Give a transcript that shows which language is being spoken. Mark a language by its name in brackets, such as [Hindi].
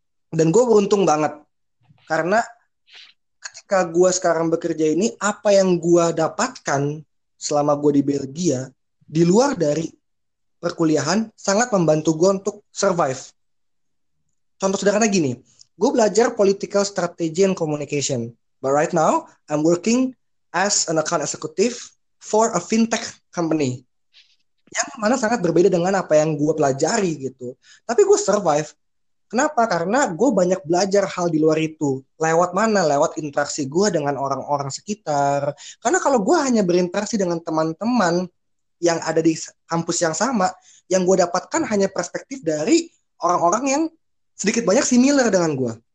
[Indonesian] Dan gue beruntung banget karena ketika gue sekarang bekerja ini, apa yang gue dapatkan selama gue di Belgia di luar dari perkuliahan sangat membantu gue untuk survive. Contoh sederhana gini, gue belajar [English] political strategy and communication. But right now, I'm working as an account executive for a fintech company. [Indonesian] Yang mana sangat berbeda dengan apa yang gue pelajari gitu. Tapi gue survive. Kenapa? Karena gue banyak belajar hal di luar itu. Lewat mana? Lewat interaksi gue dengan orang-orang sekitar. Karena kalau gue hanya berinteraksi dengan teman-teman yang ada di kampus yang sama, yang gue dapatkan hanya perspektif dari orang-orang yang sedikit banyak similar dengan gue.